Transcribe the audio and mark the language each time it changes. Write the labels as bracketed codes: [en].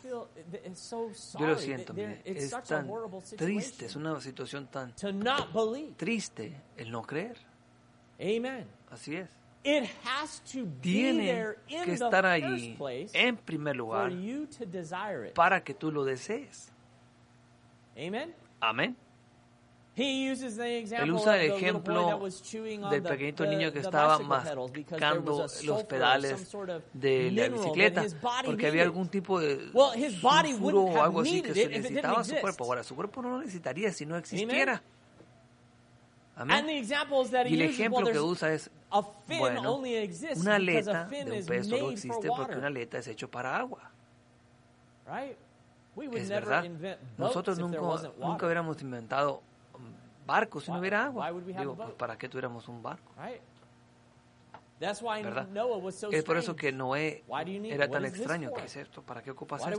[es] Yo lo siento, es tan triste, es una situación tan triste el no creer. [en] Amen. [es] Así es. [en] It has to be there in [es] que estar allí en primer lugar para que tú lo desees. [en] Amen. [es] Amén. [en] He uses the example of the little boy that was chewing on [es] the niño que estaba mascando los pedales de la bicicleta porque había algún tipo de sulfuro o algo así que se necesitaba a su cuerpo. Ahora, su cuerpo no lo necesitaría si no existiera. [en] Amen. And the examples that he uses, a fin only exists because a fin is made for water. [es] Porque una aleta es hecho para agua. [en] Right? We would never invent boats. [es] Nosotros nunca hubiéramos inventado barcos si no hubiera agua. Digo, pues, ¿para qué tuviéramos un barco? [en] That's why Noah was so strange. [es] Es por eso que Noé era tan extraño. ¿Qué es esto? ¿Para qué ocupas esto?